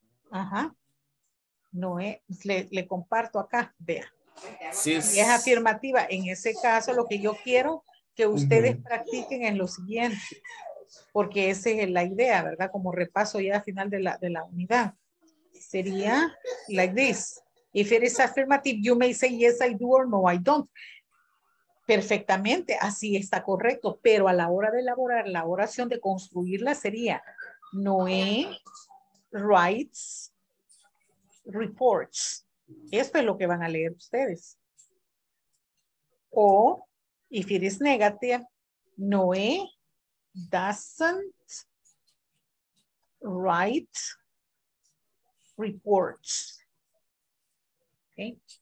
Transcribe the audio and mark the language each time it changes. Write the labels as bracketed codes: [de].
[es] Ajá. Noé, le comparto acá, vea. Si es afirmativa, en ese caso lo que yo quiero que ustedes practiquen en lo siguiente, porque esa es la idea, ¿verdad? Como repaso ya al final de la unidad. Sería [en] like this. If it is affirmative, you may say yes, I do, or no, I don't. [es] Perfectamente, así está correcto, pero a la hora de elaborar la oración, de construirla, sería Noé [en] writes reports. [es] Esto es lo que van a leer ustedes. [en] O if it is negative, Noé doesn't write reports. Okay.